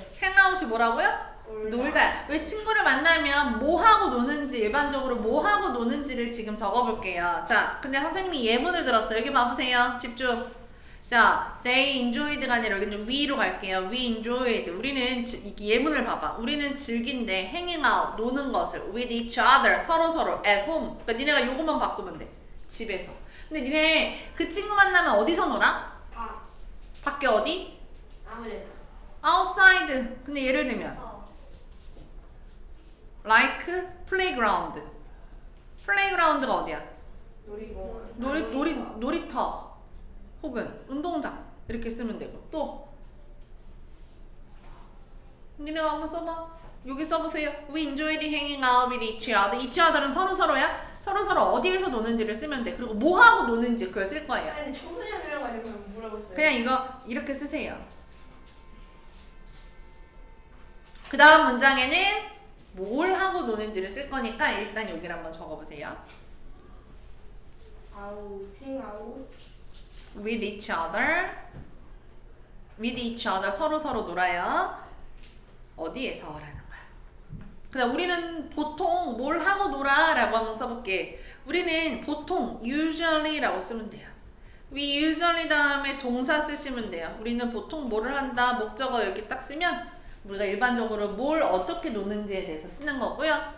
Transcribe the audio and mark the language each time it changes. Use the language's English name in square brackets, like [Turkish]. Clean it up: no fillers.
[Korean] 행아웃이 뭐라고요? 놀다. 왜 친구를 만나면 뭐하고 노는지 일반적으로 뭐하고 노는지를 지금 적어볼게요. 자 근데 선생님이 예문을 들었어. 여기 봐보세요. 집중. 자 [English] they enjoyed [Korean] 가 아니라 여기는 we로 갈게요. [English] we enjoyed. [Korean] 우리는 예문을 봐봐. 우리는 즐긴데 [English] hanging out [Korean] 노는 것을 [English] with each other [Korean] 서로서로 [English] at home. [Korean] 그러니까 니네가 요것만 바꾸면 돼. 집에서. 근데 니네 그 친구 만나면 어디서 놀아? 밖에 어디? 아무데나. [English] outside. [Korean] 근데 예를 들면 [English] like playground. [Korean] playground가 어디야? 놀이터. 혹은 운동장 이렇게 쓰면 되고 또 니네가 한번 써봐. 여기 써보세요. [English] We enjoy hanging out with each other. [Korean] each other은 서로서로야? 서로서로 어디에서 노는지를 쓰면 돼. 그리고 뭐하고 노는지 그걸 쓸 거예요. 아니 청소년이라고 하니까 뭐라고 써요? 그냥 이거 이렇게 쓰세요. 그 다음 문장에는 뭘 하고 노는지를 쓸 거니까 일단 여기를 한번 적어보세요. [English] hang out with each other. with each other [Korean] 서로서로 놀아요. 어디에서라는 거야. 근데 우리는 보통 뭘 하고 놀아 라고 한번 써볼게. 우리는 보통 usually 라고 쓰면 돼요. [English] we usually [Korean] 다음에 동사 쓰시면 돼요. 우리는 보통 뭐를 한다 목적어 이렇게 딱 쓰면 우리가 일반적으로 뭘 어떻게 노는지에 대해서 쓰는 거고요.